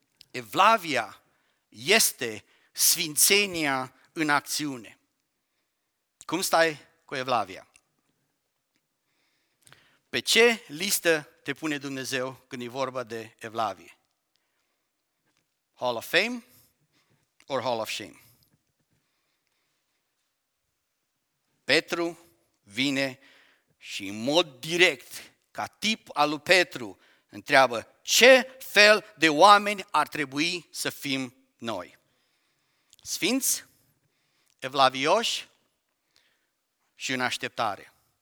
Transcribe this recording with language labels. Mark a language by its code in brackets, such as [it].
[ro] Evlavia este sfințenia în acțiune. Cum stai cu evlavia? Pe ce listă te pune Dumnezeu când e vorba de evlavie? [en] Hall of Fame or Hall of Shame? [ro] Petru vine și în mod direct, ca tip al lui Petru, întreabă ce fel de oameni ar trebui să fim noi? Sfinți, evlavioși și în așteptare.